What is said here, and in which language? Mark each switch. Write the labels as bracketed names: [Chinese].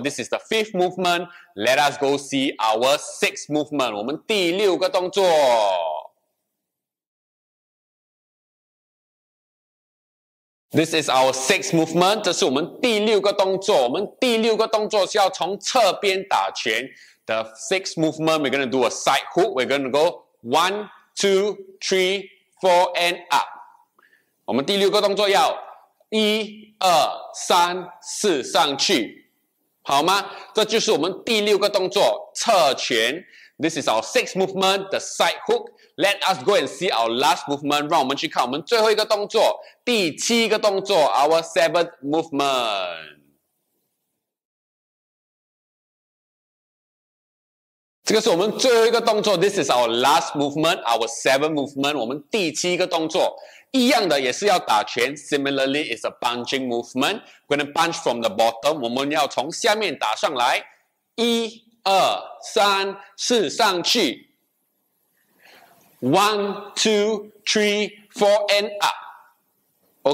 [English] This is the fifth movement. Let us go see our sixth movement. [Chinese] 我们第六个动作。 [English] This is our sixth movement. [Chinese] 这是我们第六个动作。我们第六个动作是要从侧边打拳。 [English] The sixth movement, we're going to do a side hook. We're going to go one, two, three, four, and up. [Chinese] 我们第六个动作要一、二、三、四上去，好吗？这就是我们第六个动作，侧拳。 [English] This is our sixth movement, the side hook. Let us go and see our last movement. [Chinese] 让我们去看我们最后一个动作，第七个动作， [English] our seventh movement. [Chinese] 这个是我们最后一个动作。 [English] This is our last movement, our seventh movement. [Chinese] 我们第七个动作，一样的也是要打拳。 [English] Similarly, it's a punching movement. We're going to punch from the bottom. [Chinese] 我们要从下面打上来。一二三四上去 ， [English] one two three four and up.